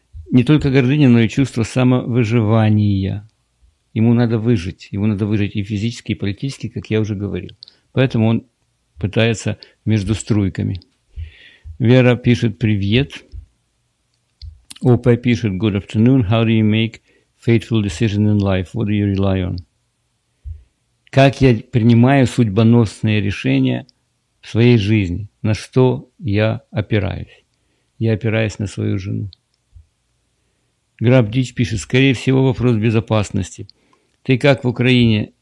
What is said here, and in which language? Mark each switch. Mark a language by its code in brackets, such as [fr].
[ru] Не только гордыня, но и чувство самовыживания. Ему надо выжить. Ему надо выжить и физически, и политически, как я уже говорил. Поэтому он пытается между струйками. Вера пишет: привет. ОП пишет: [en] good afternoon. How do you make fateful decision in life? What do you rely on? [ru] Как я принимаю судьбоносные решения в своей жизни? На что я опираюсь? Я опираюсь на свою жену. Граб Дич пишет: скорее всего, вопрос безопасности. Ты как в Украине?